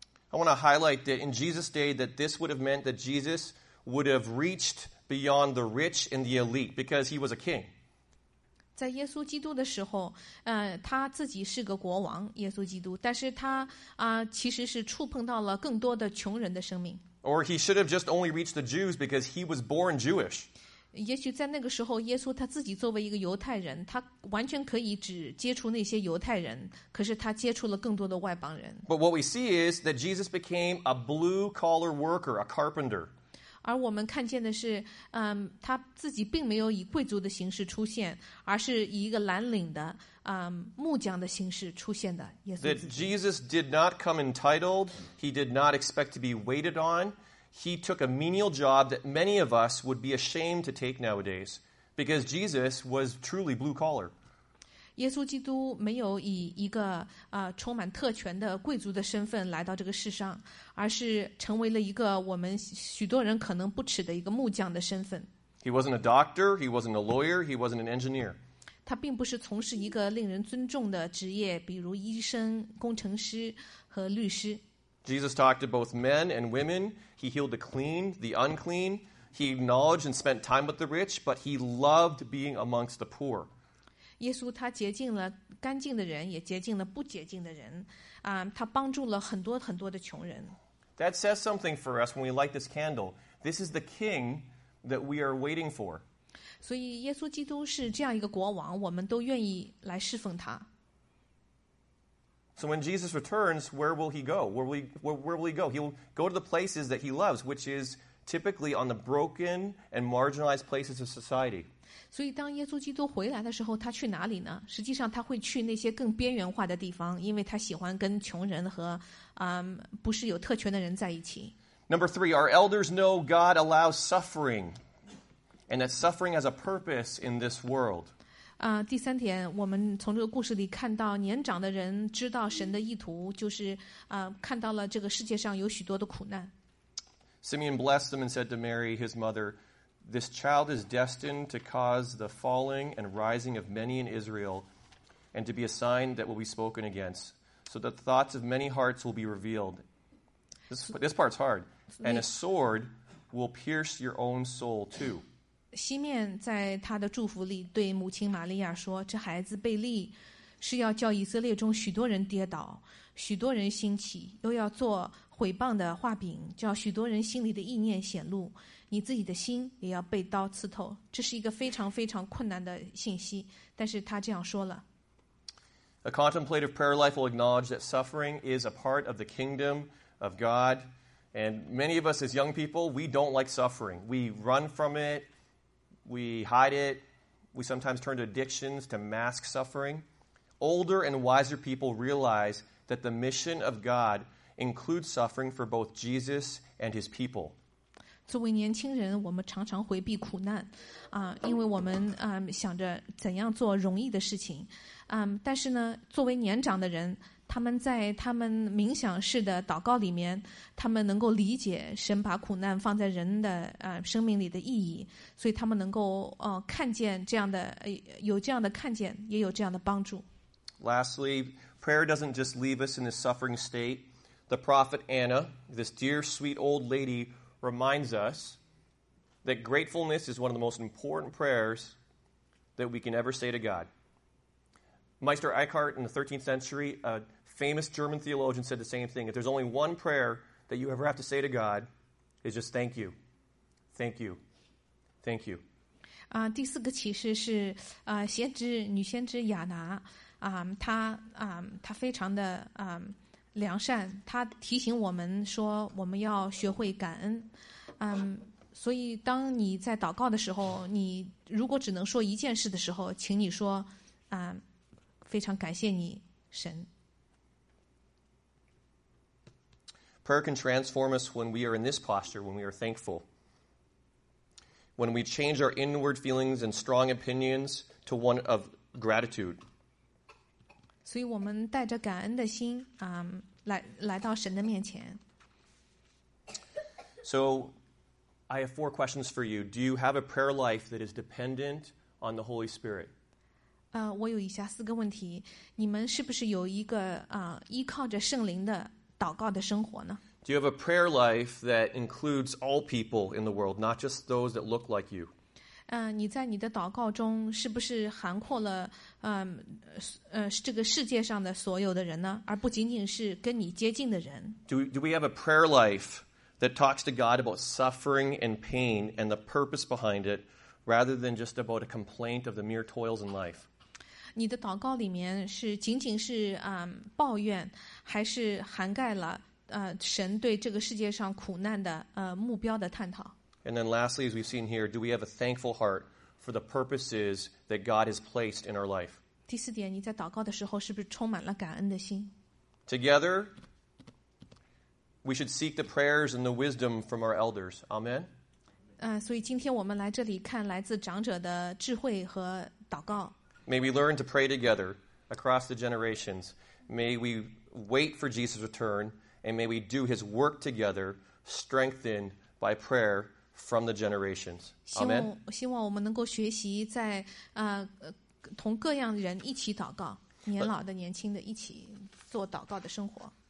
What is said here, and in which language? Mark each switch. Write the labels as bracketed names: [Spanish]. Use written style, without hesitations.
[English] I want to highlight that in Jesus' day, that this would have meant that Jesus would have reached beyond the rich and the elite because he was a king. [Chinese] 在耶稣基督的时候，他自己是个国王，耶稣基督，但是他其实是触碰到了更多的穷人的生命。 [English] Or he should have just only reached the Jews because he was born Jewish. [Chinese] 也许在那个时候，耶稣他自己作为一个犹太人，他完全可以只接触那些犹太人，可是他接触了更多的外邦人。 [English] But what we see is that Jesus became a blue-collar worker, a carpenter. [Chinese] 而我们看见的是，他自己并没有以贵族的形式出现，而是以一个蓝领的，木匠的形式出现的耶稣。 [English] That Jesus did not come entitled, he did not expect to be waited on. He took a menial job that many of us would be ashamed to take nowadays, because Jesus was truly blue collar. [Chinese] 耶稣基督没有以一个充满特权的贵族的身份来到这个世上，而是成为了一个我们许多人可能不耻的一个木匠的身份。 [English] He wasn't a doctor, he wasn't a lawyer, he wasn't an engineer. [Chinese] 他并不是从事一个令人尊重的职业，比如医生、工程师和律师。 [English] Jesus talked to both men and women. He healed the clean, the unclean. He acknowledged and spent time with the rich, but he loved being amongst the poor. [Chinese] 耶稣他洁净了干净的人，也洁净了不洁净的人。他帮助了很多很多的穷人。 [English] That says something for us when we light this candle. This is the king that we are waiting for. [Chinese] 所以耶稣基督是这样一个国王，我们都愿意来侍奉他。 [English] So when Jesus returns, where will he go? Where will he go? He'll go to the places that he loves, which is typically on the broken and marginalized places of society. [Chinese] 所以当耶稣基督回来的时候，他去哪里呢？实际上他会去那些更边缘化的地方，因为他喜欢跟穷人和不是有特权的人在一起。 [English] Number three, our elders know God allows suffering, and that suffering has a purpose in this world. [Chinese] 第三点，我们从这个故事里看到，年长的人知道神的意图，就是看到了这个世界上有许多的苦难。 [English] Simeon blessed them and said to Mary, his mother, "This child is destined to cause the falling and rising of many in Israel, and to be a sign that will be spoken against, so that the thoughts of many hearts will be revealed." This part's hard. And a sword will pierce your own soul too. [Chinese] 西面在他的祝福里对母亲玛利亚说，这孩子被立是要叫以色列中许多人跌倒，许多人兴起，又要做毁谤的画饼，叫许多人心里的意念显露，你自己的心也要被刀刺透。这是一个非常非常困难的信息，但是他这样说了。 [English] A contemplative prayer life will acknowledge that suffering is a part of the kingdom of God, and many of us as young people, we don't like suffering. We run from it, we hide it, we sometimes turn to addictions to mask suffering. Older and wiser people realize that the mission of God includes suffering for both Jesus and his people. [Chinese] 作为年轻人，我们常常回避苦难，因为我们想着怎样做容易的事情，但是呢，作为年长的人，他们在他们冥想式的祷告里面，他们能够理解神把苦难放在人的生命里的意义，所以他们能够看见这样的有这样的看见，也有这样的帮助。 [English] Lastly, prayer doesn't just leave us in this suffering state. The prophet Anna, this dear, sweet old lady, reminds us that gratefulness is one of the most important prayers that we can ever say to God. Meister Eckhart in the 13th century, a famous German theologian, said the same thing. If there's only one prayer that you ever have to say to God, it's just thank you, thank you, thank you. [Chinese] 第四个启示是先知女先知亚拿。他非常的良善，他提醒我们说我们要学会感恩。所以当你在祷告的时候，你如果只能说一件事的时候，请你说非常感谢你神。 [English] Prayer can transform us when we are in this posture, when we are thankful. When we change our inward feelings and strong opinions to one of gratitude. [Chinese] 所以我们带着感恩的心来到神的面前。 [English] So I have four questions for you. Do you have a prayer life that is dependent on the Holy Spirit? [Chinese] 我有以下四个问题。你们是不是有一个依靠着圣灵的祷告的生活呢？ [English] Do you have a prayer life that includes all people in the world, not just those that look like you? [Chinese] 你在你的祷告中是不是涵括了这个世界上的所有的人呢，而不仅仅是跟你接近的人？ [English] Do we have a prayer life that talks to God about suffering and pain and the purpose behind it, rather than just about a complaint of the mere toils in life? [Chinese] 你的祷告里面是仅仅是抱怨，还是涵盖了神对这个世界上苦难的目标的探讨？ [English] And then lastly, as we've seen here, do we have a thankful heart for the purposes that God has placed in our life? [Chinese] 第四点，你在祷告的时候是不是充满了感恩的心？ [English] Together, we should seek the prayers and the wisdom from our elders. Amen. [Chinese] 所以今天我们来这里看来自长者的智慧和祷告。 [English] May we learn to pray together across the generations. May we wait for Jesus' return, and may we do His work together, strengthened by prayer from the generations. Amen. [Chinese] 希望我们能够学习在同各样人一起祷告，年老的、年轻的一起做祷告的生活。